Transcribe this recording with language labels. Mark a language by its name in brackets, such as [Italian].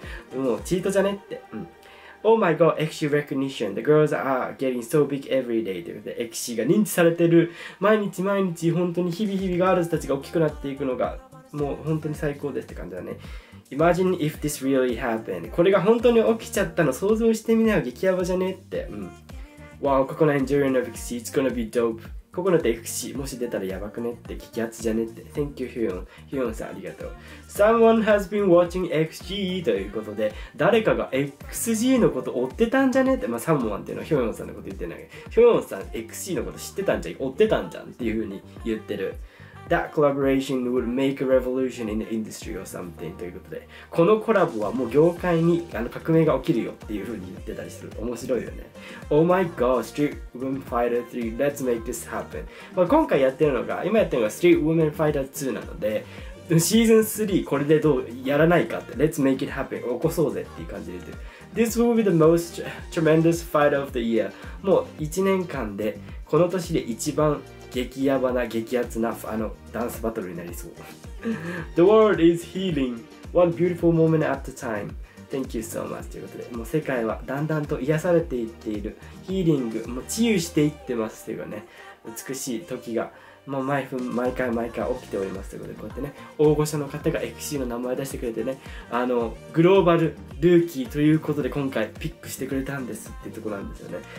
[Japanese] て、もうチートじゃねって、うん、 [English] Oh my god, XC recognition, the girls are getting so big every day [Japanese] ということで、 XC が認知されてる、毎日毎日本当に日々日々ガールズたちが大きくなっていくのがもう本当に最高ですって感じだね。 [English] Imagine if this really happened. [Japanese] これが本当に起きちゃったの、想像してみなよ、激ヤバじゃねって、うん。 [English] Wow, ここの Enduring of XC, it's gonna be dope. [Japanese] ここのXC、もし出たらヤバくねって、激アツじゃねって。 [English] Thank you, Hyun. [Japanese] Hyun さん、ありがとう。 [English] Someone has been watching XG [Japanese] ということで、誰かが XG のこと追ってたんじゃねって、まあ、Someone っていうのは Hyun さんのこと言ってない。 Hyun さん、XC のこと知ってたんじゃん、追ってたんじゃんっていうふうに言ってる。 [English] That collaboration would make a revolution in the industry or something [Japanese] ということで、このコラボはもう業界に革命が起きるよっていう風に言ってたりする。面白いよね。 [English] Oh my god, Street Woman Fighter 3, let's make this happen、 [Japanese] まあ、今回やってるのが、今やってるのが Street Woman Fighter 2なので、シーズン3これでどうやらないかって、 [English] Let's make it happen、 [Japanese] 起こそうぜっていう感じで言ってる。 [English] This will be the most tremendous fight of the year、 [Japanese] もう1年間でこの年で一番激ヤバな、激アツなあのダンスバトルになりそう。 [English] The world is healing, one beautiful moment at a time. Thank you so much [Japanese] ということで、もう世界はだんだんと癒されていっている、ヒーリング、もう治癒していってますというかね、美しい時がもう毎分毎回毎回起きておりますということで、こうやってね、大御所の方が XC の名前出してくれてね、あのグローバルルーキーということで今回ピックしてくれたんですっていうところなんですよね。